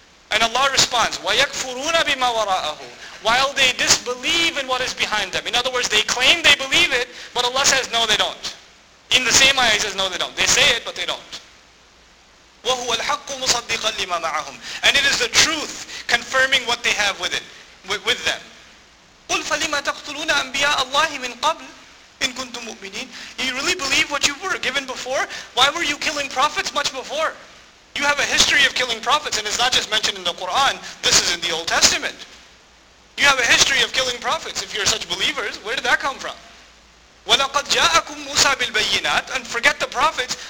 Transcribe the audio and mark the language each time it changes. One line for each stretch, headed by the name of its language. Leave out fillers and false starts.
English: And Allah responds,
Arabic: وَيَكْفُرُونَ بِمَا وَرَاءَهُ
English: While they disbelieve in what is behind them. In other words, they claim they believe it, but Allah says, no, they don't. In the same ayah, He says, no, they don't. They say it, but they don't.
Arabic: وَهُوَ الْحَقُّ مُصَدِّقًا لِمَا مَعَهُمْ
English: And it is the truth confirming what they have with them.
Arabic: قُلْ فَلِمَا تَقْتُلُونَ أَنْبِيَاءَ اللَّهِ مِنْ قَبْلِ إِن كُنْتُمْ مُؤْمِنِينَ
English: You really believe what you were given before? Why were you killing prophets much before? You have a history of killing prophets, and it's not just mentioned in the Qur'an. This is in the Old Testament. You have a history of killing prophets. If you're such believers, where did that come from?
Arabic: وَلَقَدْ جَاءَكُمْ مُوسَى بِالْبَيِّنَاتِ
English: And forget the prophets.